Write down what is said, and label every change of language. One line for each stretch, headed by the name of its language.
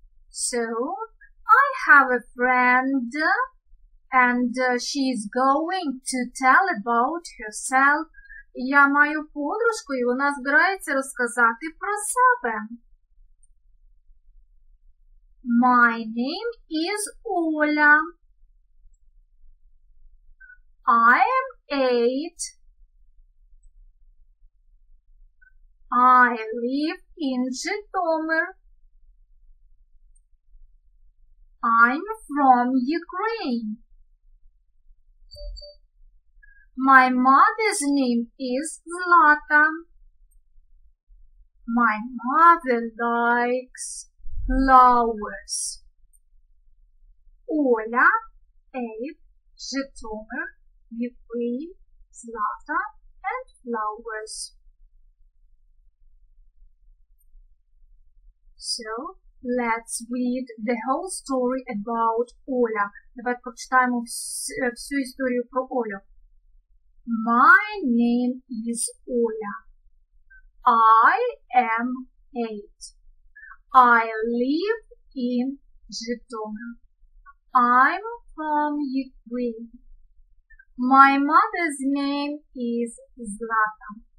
English: So, I have a friend and she is going to tell about herself.
Ukrainian: Я маю подружку, і вона збирається розказати про себе.
English: My name is Оля. I am 8. I live in Житомир. I'm from Ukraine. My mother's name is Zlata. My mother likes flowers. Оля, 8, Житомир, Ukraine, Zlata, and flowers. So, let's read the whole story about Оля.
Ukrainian: Давай прочитаємо всю історію про Олю.
English: My name is Оля. I am 8. I live in Житомир. I'm from Ukraine. My mother's name is Zlata.